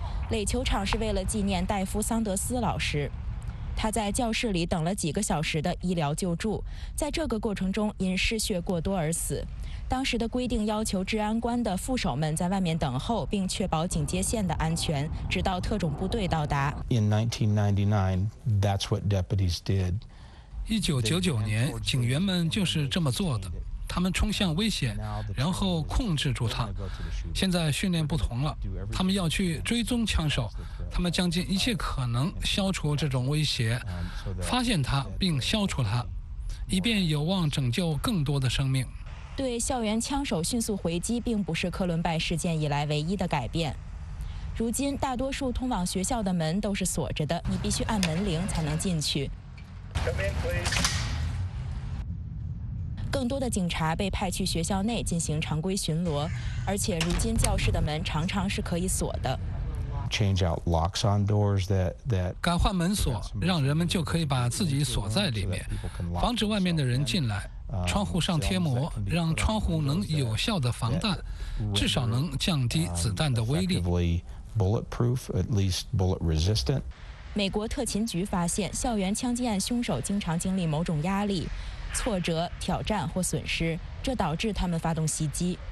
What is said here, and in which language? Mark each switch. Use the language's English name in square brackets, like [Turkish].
[Chinese] 垒球场是为了纪念戴夫·桑德斯老师，他在教室里等了几个小时的医疗救助，在这个过程中因失血过多而死。当时的规定要求治安官的副手们在外面等候，并确保警戒线的安全，直到特种部队到达。 [English] In 1999, that's what deputies did. [Chinese] 1999年，警员们就是这么做的。他们冲向危险，然后控制住它。现在训练不同了，他们要去追踪枪手，他们将尽一切可能消除这种威胁，发现它并消除它，以便有望拯救更多的生命。对校园枪手迅速回击并不是科伦拜事件以来唯一的改变。如今大多数通往学校的门都是锁着的，你必须按门铃才能进去。 [English] Come in, please. [Chinese] 更多的警察被派去学校内进行常规巡逻，而且如今教室的门常常是可以锁的。 [English] Change out locks on doors that [Chinese] 改换门锁，让人们就可以把自己锁在里面，防止外面的人进来。窗户上贴膜，让窗户能有效的防弹，至少能降低子弹的威力。 [English] Bulletproof, at least bullet resistant. [Chinese] 美国特勤局发现，校园枪击案凶手经常经历某种压力、挫折、挑战或损失，这导致他们发动袭击。